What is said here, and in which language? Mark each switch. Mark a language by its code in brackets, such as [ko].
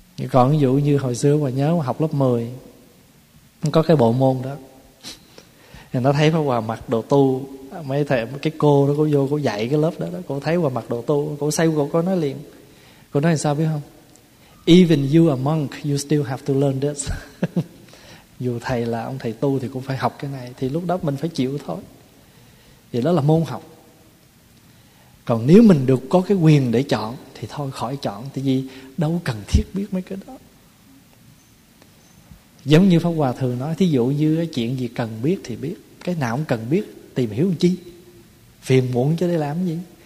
[vi] Còn ví dụ như hồi xưa mà nhớ mà học lớp 10 có cái bộ môn đó, thì nó thấy Pháp Hòa mặc đồ tu, mấy thầy cái cô đó cô vô cô dạy cái lớp đó đó, cô thấy Hòa mặc đồ tu, cô say cô nói liền, cô nói là sao biết không? [en] Even you a monk, you still have to learn this. [vi] Dù thầy là ông thầy tu thì cũng phải học cái này, thì lúc đó mình phải chịu thôi. Vậy đó là môn học. Còn nếu mình được có cái quyền để chọn thì thôi khỏi chọn, tại vì đâu cần thiết biết mấy cái đó. Giống như Pháp Hòa thường nói, thí dụ như cái chuyện gì cần biết thì biết, cái nào cũng cần biết tìm hiểu làm chi, phiền muộn chứ để làm gì.